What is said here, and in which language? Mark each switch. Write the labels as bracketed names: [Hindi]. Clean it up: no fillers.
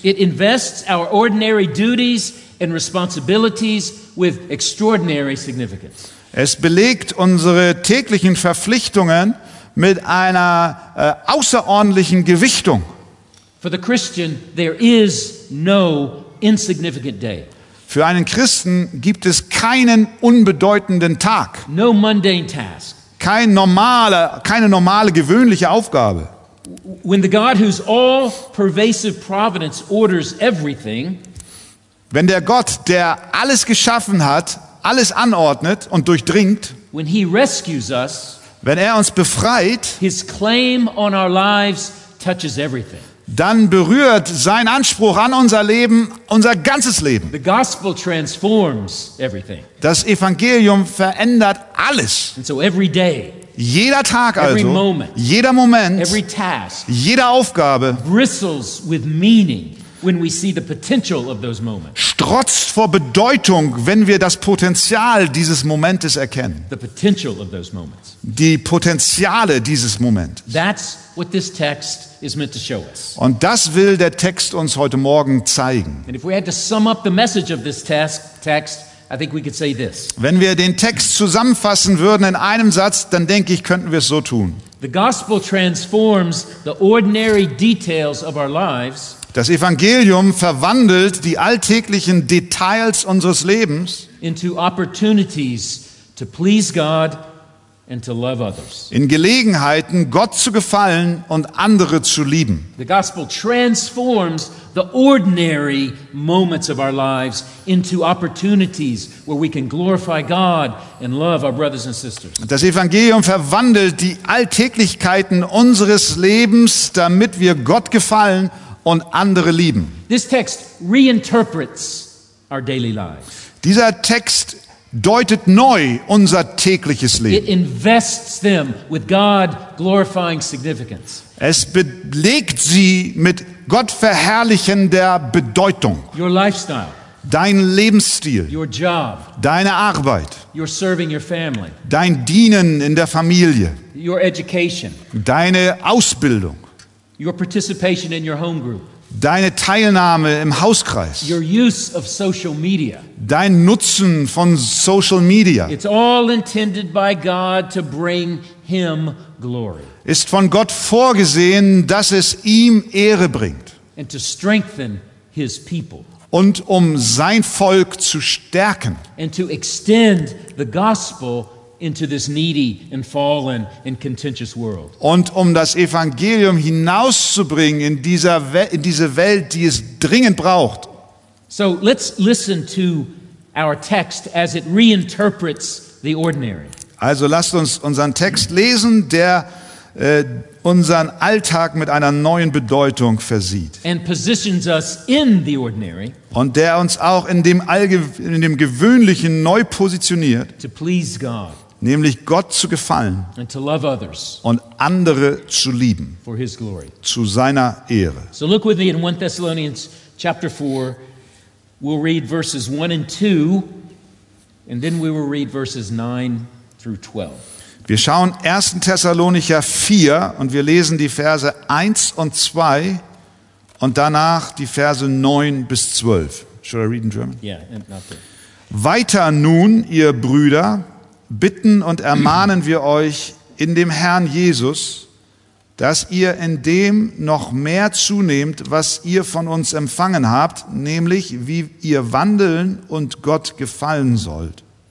[English] It invests our ordinary duties and responsibilities with extraordinary significance. [German] Es belegt unsere täglichen Verpflichtungen mit einer außerordentlichen Gewichtung. [English] For the Christian, there is no insignificant day. [German] Für einen Christen gibt es keinen unbedeutenden Tag. [English] No mundane task. [German] Keine normale, gewöhnliche Aufgabe. [English] When the God whose all-pervasive providence orders everything, [German] wenn der Gott, der alles geschaffen hat, alles anordnet und durchdringt, [English] when he rescues us, [German] wenn er uns befreit, [English] his claim on our lives touches everything. [German] Dann berührt sein Anspruch an unser Leben unser ganzes Leben. [English] The gospel transforms everything. [German] Das Evangelium verändert alles. [English] And so every day, [German] jeder Tag also, [English] every moment, [German] jeder Moment, [English] every task, [German] jede Aufgabe [English] bristles with meaning. When we see the potential of those moments, [German] strotzt vor Bedeutung, wenn wir das Potenzial dieses Momentes erkennen. [English] The potential of those moments. [German] Die Potenziale dieses Moments. [English] That's what this text is meant to show us. [German] Und das will der Text uns heute Morgen zeigen. [English] And if we had to sum up the message of this text, I think we could say this. [German] Wenn wir den Text zusammenfassen würden in einem Satz, dann denke ich, könnten wir es so tun. [English] The gospel transforms the ordinary details of our lives. [German] Das Evangelium verwandelt die alltäglichen Details unseres Lebens [English] into opportunities to please God and to love others. [German] In Gelegenheiten, Gott zu gefallen und andere zu lieben. [English] The gospel transforms the ordinary moments of our lives into opportunities where we can glorify God and love our brothers and sisters. [German] Das Evangelium verwandelt die Alltäglichkeiten unseres Lebens, damit wir Gott gefallen und andere lieben. [English] This text reinterprets our daily lives. [German] Dieser Text deutet neu unser tägliches Leben. [English] It invests them with God-glorifying significance. [German] Es belegt sie mit gottverherrlichender Bedeutung. [English] Your lifestyle. [German] Dein Lebensstil. [English] Your job. [German] Deine Arbeit. [English] Your serving your family. [German] Dein Dienen in der Familie. [English] Your education. [German] Deine Ausbildung. [English] Your participation in your home group. [German] Deine Teilnahme im Hauskreis. [English] Your use of social media. [German] Dein Nutzen von Social Media. [English] It's all intended by God to bring him glory. [German] Ist von Gott vorgesehen, dass es ihm Ehre bringt. [English] And to strengthen his people. [German] Und um sein Volk zu stärken. [English] And to extend the gospel into this needy and fallen and contentious world. [German] Und um das Evangelium hinauszubringen in dieser diese Welt, die es dringend braucht. [English] So let's listen to our text as it reinterprets the ordinary. [German] Also lasst uns unseren Text lesen, der unseren Alltag mit einer neuen Bedeutung versieht. [English] And positions us in the ordinary. [German] Und der uns auch in dem dem Gewöhnlichen neu positioniert. [English] To please God. [German] Nämlich Gott zu gefallen [English] and to love others [German] und andere zu lieben [English] for his glory. [German] Zu seiner Ehre. [English] So look with me in 1 Thessalonians chapter 4. We'll read verses 1 and 2 and then we will read verses 9 through 12. [German] Wir schauen 1. Thessalonicher 4 und wir lesen die Verse 1 und 2 und danach die Verse 9 bis 12. [English] Should I read in German? Yeah, not there. [German] Weiter nun, ihr Brüder, bitten und ermahnen wir euch in dem Herrn Jesus, dass ihr in dem noch mehr zunehmt, was ihr von uns empfangen habt, nämlich wie ihr wandeln und Gott gefallen sollt.